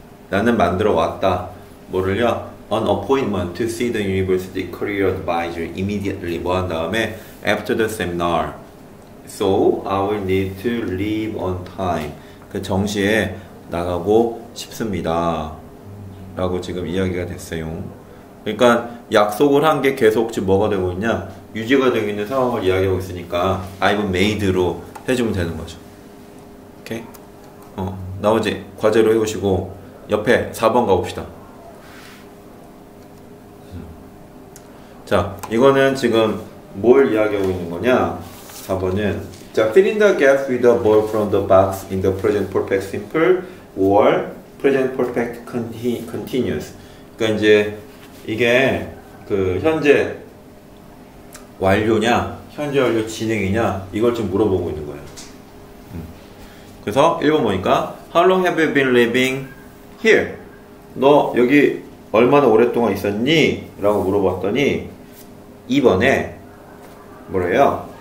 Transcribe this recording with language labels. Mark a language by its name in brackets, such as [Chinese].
[Korean] 나는 만들어 왔다 뭐를요? [English] An appointment to see the university career advisor immediately [Korean] 뭐 한 다음에 [English] after the seminar. So, I will need to leave on time. [Korean] 그 정시에 나가고 싶습니다. 라고 지금 이야기가 됐어요. 그러니까 약속을 한 게 계속 지금 뭐가 되고 있냐? 유지가 되고 있는 상황을 이야기하고 있으니까 [English] I've made [Korean] 로 해주면 되는 거죠. 오케이? 나머지 과제로 해보시고 옆에 4번 가봅시다. 자, 이거는 지금 뭘 이야기하고 있는 거냐? 4번은 자, [English] fill in the gap with the ball from the box in the present perfect simple or present perfect continuous. [Korean] 그러니까 이제 이게 그 현재 완료냐, 현재 완료 진행이냐 이걸 좀 물어보고 있는 거예요. 그래서 1번 보니까 [English] How long have you been living here? [Korean] 너 여기 얼마나 오랫동안 있었니? 라고 물어봤더니 2번에 뭐래요?